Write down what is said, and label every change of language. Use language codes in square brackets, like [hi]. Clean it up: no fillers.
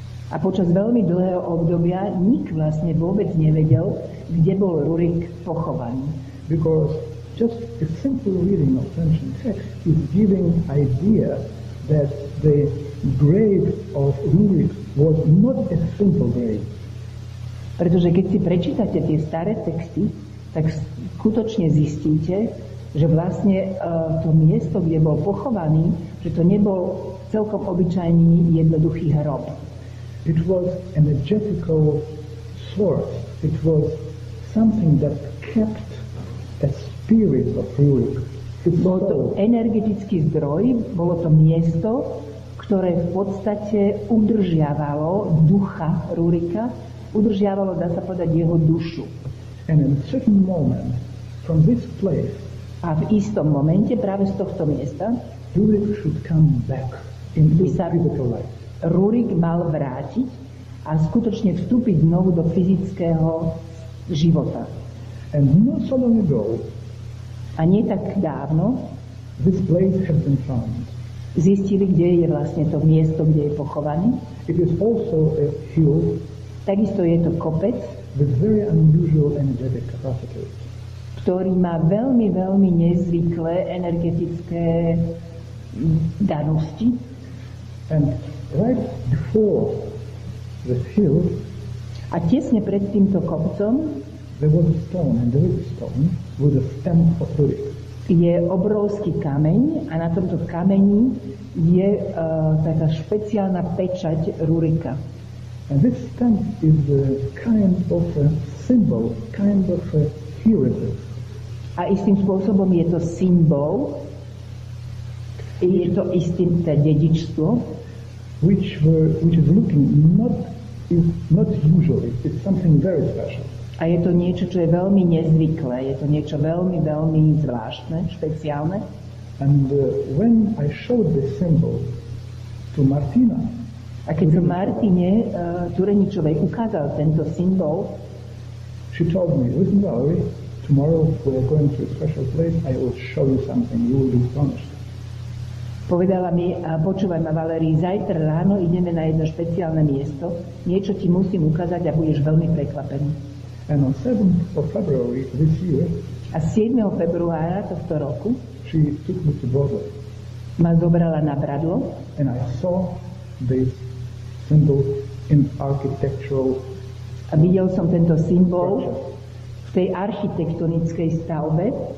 [sk] A počas veľmi dlhého obdobia nik vlastne vôbec nevedel, kde bol Rurik pochovaný. [en] Because just a simple reading of ancient text is giving idea that the grave of Rurik was not a simple grave. [sk] Pretože keď si prečítate tie staré texty, tak skutočne zistíte, že vlastne to miesto, kde bol pochovaný, že to nebol celkom obyčajný jednoduchý hrob. [en] It was an energetical source. It was something that kept a spirit of Rurik. [sk] Bolo to energetický zdroj, bolo to miesto, ktoré v podstate udržiavalo ducha Rurika, udržiavalo, dá sa povedať, jeho dušu. [en] And in a certain moment, from this place, [sk] a v istom momente, práve z tohto miesta, [en] Rurik should come back into physical life. [sk] Rurik mal vrátiť a skutočne vstúpiť znovu do fyzického života. [en] And not so long ago, [sk] a nie tak dávno, [en] this place has been found. [sk] Zistili, kde je vlastne to miesto, kde je pochovaný. [en] It is also a hill. [sk] Takisto je to kopec, [en] with very unusual energetic capacity. [sk] Ktorý má veľmi, veľmi nezvyklé energetické danosti. [en] And right before the hill, [sk] a tesne pred týmto kopcom, [en] there was a stone, and there is a stone with a stamp of Rurik. [sk] Je obrovský kameň a na tomto kameni je taká špeciálna pečať Rurika. [en] And this stamp is a kind of a symbol, kind of a heritage. [sk] A istým spôsobom je to symbol, je to istým tá dedičstvo, [en] which is looking not usually, it's something very special. [sk] A je to niečo, čo je veľmi nezvyklé, je to niečo veľmi, veľmi zvláštne, špeciálne. [en] And when I showed this symbol to Martina, [sk] a keď som Martine Tureničovej ukázal tento symbol, [en] she told me, listen Valerie, tomorrow we are going to a special place, I will show you something, you will be astonished. [sk] Povedala mi, počúvaj ma Valérii, zajtra ráno ideme na jedno špeciálne miesto, niečo ti musím ukázať a budeš veľmi prekvapený. [en] And on 7th of February this year, [sk] a 7. februára tohto roku [en] she took me to Broadway, [sk] ma zobrala na Bradlo, [en] and I saw this symbol in architectural, [sk] a videl som tento symbol v tej architektonickej stavbe,